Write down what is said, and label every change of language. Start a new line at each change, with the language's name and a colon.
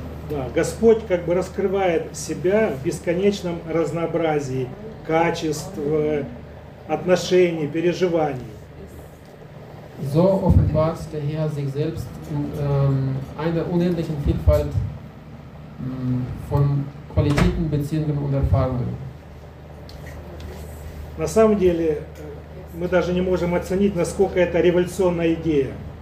Russian: Да, Господь как бы раскрывает себя в бесконечном разнообразии качеств, отношений, переживаний.
German: So offenbart der Herr sich selbst in einer unendlichen Vielfalt von Qualitäten, Beziehungen und Erfahrungen.
Russian: На самом деле мы даже не можем оценить, насколько это революционная идея.